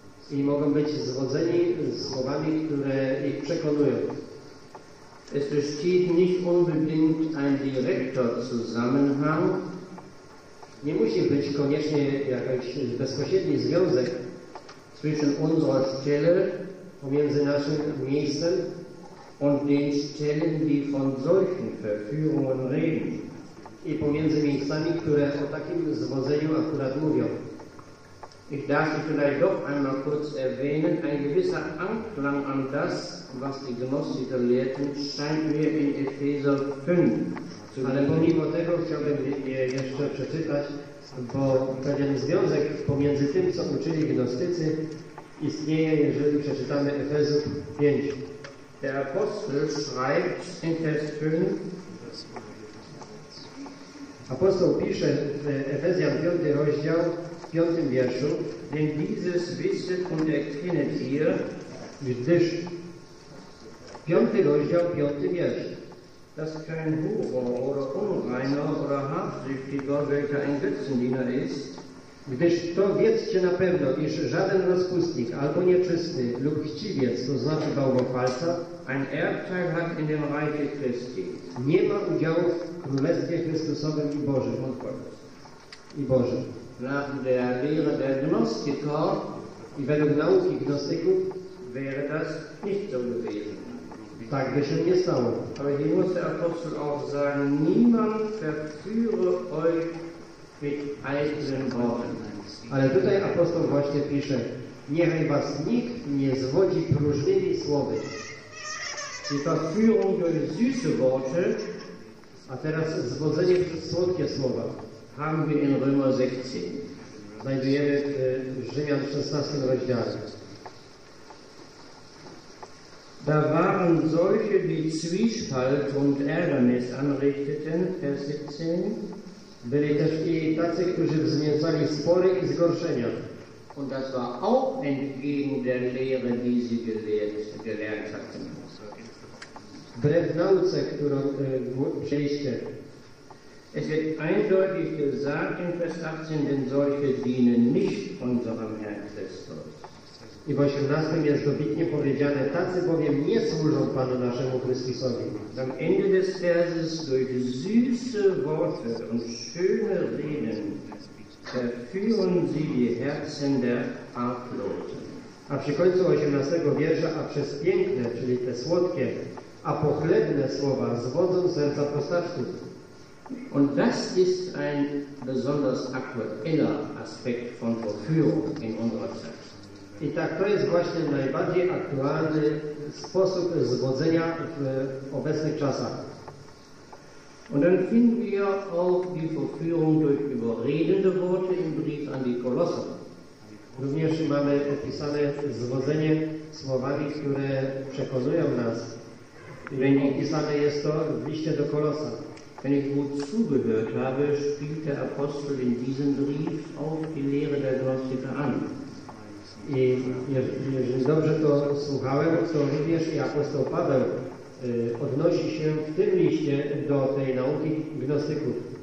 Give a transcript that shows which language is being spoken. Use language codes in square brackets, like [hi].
[pl] i mogą być zwodzeni słowami, które ich przekonują. [de] Es besteht nicht unbedingt ein direkter Zusammenhang. [pl] Nie musi być koniecznie jakiś bezpośredni związek [de] zwischen unserer Stelle, [pl] pomiędzy naszym miejscem, [de] und den Stellen, die von solchen Verführungen reden. [pl] I pomiędzy miejscami, które o takim zwodzeniu akurat mówią. [de] Ich darf vielleicht doch einmal kurz erwähnen, ein gewisser Anklang an das, was die Gnostiker lehrten, scheint mir in Epheser 5. [pl] Ale pomimo tego chciałbym je jeszcze przeczytać, bo pewien związek pomiędzy tym, co uczyli gnostycy, istnieje, jeżeli przeczytamy Efezów 5. [de] Der Apostel schreibt in Vers 5. [pl] Apostoł pisze w Efezjan 5 rozdział, 5 wierszu. [de] Denn dieses Wissen und erkennet ihr, [pl] gdyż 5 rozdział, 5 wiersz. [de] Dass kein Hure oder Unreiner oder Habsüchtiger, welcher ein Götzendiener ist, [pl] gdyż to wiedzcie na pewno, iż żaden rozpustnik, albo nieczysty, lub chciwiec, to znaczy bałwochwalca, [de] ein Erbteil hat in dem Reiche Christi, [pl] nie ma udziału w Królestwie Chrystusowym i Bożym. I Bożym. [de] Nach der Lehre der Gnostiker, [pl] i według nauki gnostyków, [de] wäre das nicht so gewesen. [pl] Tak by się nie stało. [de] Ale hier muss der Apostel auch sagen, niemand verführe euch mit eigenen Worten. [pl] Ale tutaj apostoł właśnie pisze, niechaj was nikt nie zwodzi próżnymi słowy. [de] Die Verführung durch süße Worte, [pl] a teraz zwodzenie przez słodkie słowa, [de] haben wir in Römer 16. [pl] Znajdujemy w Rzymian 16 rozdziale. [de] Da waren solche, die Zwiespalt und Ärgernis anrichteten, Vers 17. [pl] Byli też i tacy, którzy wzniecali spory i zgorszenia. [de] Und das war auch entgegen der Lehre, die sie gelernt hatten. [pl] Wbrew nauce, którą przyjście. [de] Es wird eindeutig gesagt in Vers 18, denn solche dienen nicht unserem Herrn Christus. [pl] I w 18 jest dobitnie powiedziane, tacy bowiem nie służą Panu naszemu Chrystusowi. [de] Am Ende des Verses durch süße Worte und schöne Reden verführen sie die Herzen der Arglosen. [pl] A przy końcu 18 wiersza, a przez piękne, czyli te słodkie, a pochlebne słowa zwodzą serca postaczków. [de] Und das ist ein besonders aktueller Aspekt von Verführung in unserer Zeit. [pl] I tak, to jest właśnie najbardziej aktualny sposób zwodzenia w obecnych czasach. [de] Und dann finden wir auch die Verführung durch überredende Worte im Brief an die Kolosser. [pl] Również mamy opisane zwodzenie słowami, które przekonują nas. Opisane jest to w liście do Kolosa. [de] Wenn ich gut zugehört habe, spielt der Apostel in diesem Brief auch die Lehre der Gnostiker an. [pl] I jeżeli dobrze to słuchałem, to również i apostoł Paweł odnosi się w tym liście do tej nauki gnostyków.